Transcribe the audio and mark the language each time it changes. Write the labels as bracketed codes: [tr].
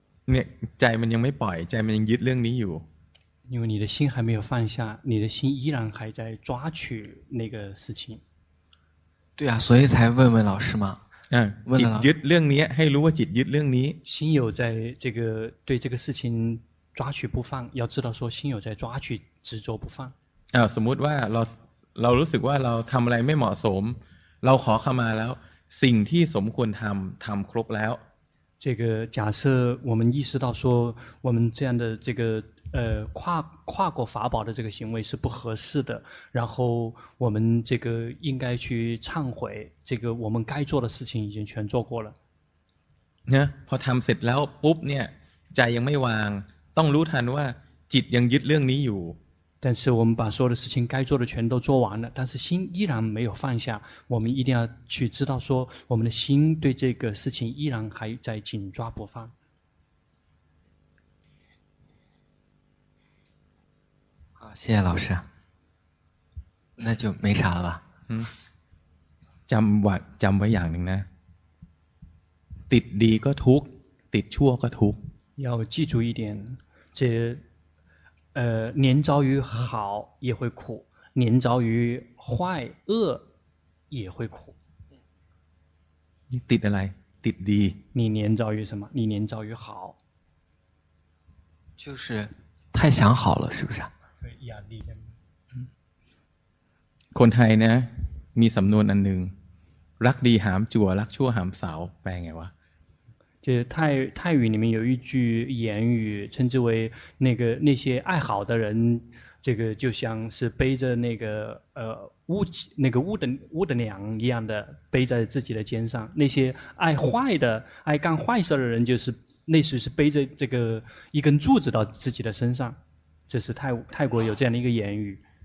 [th] เนี่ยใจมันยังไม่ปล่อยใจมันยังยึดเรื่องนี้อยู่ [zh] 因为你的心还没有放下，你的心依然还在抓取那个事情。对啊，所以才问问老师嘛。嗯，问了。 [th] ยึดเรื่องนี้ให้รู้ว่าจิตยึดเรื่องนี้ [zh] 心有在这个对这个事情抓取不放，要知道说心有在抓取执着不放。 [th] 啊，สมมติว่าเรารู้สึกว่าเราทำอะไรไม่เหมาะสมเราขอเข้ามาแล้วสิ่งที่สมควรทำครบแล้ว。 [zh] 这个假设我们意识到说我们这样的这个跨过法宝的这个行为是不合适的，然后我们这个应该去忏悔，这个我们该做的事情已经全做过了。 [th] เนี่ยพอทำเสร็จแล้วปุ๊บเนี่ยใจยังไม่วางต้องรู้ทันว่าจิตยังยึดเรื่องนี้อยู่ [zh] 但是我们把所有的事情该做的全都做完了，但是心依然没有放下，我们一定要去知道说我们的心对这个事情依然还在紧抓不放。好，谢谢老师，那就没啥了吧。 [th] 嗯，จำไว้อย่างหนึ่งนะติดดีก็ทุกติดชั่วก็ทุก [zh] 要记住一点，这连着于好也会苦，连着于坏恶也会苦。你 [th] ติดอะไร？ติดดี。 [zh] 你连着于什么？你连着于好。就是太想好了，是不是？对，压力。嗯。 [th] คนไทยนะมีสำนวนอันหนึ่งรักดีหามจั่วรักชั่วหามสาวแปลไงวะ？ [zh] 就是泰语里面有一句言语，称之为那些爱好的人，这个就像是背着那个屋的梁一样的背在自己的肩上，那些爱坏的爱干坏事的人，就是类似是背着这个一根柱子到自己的身上，这是泰国有这样的一个言语。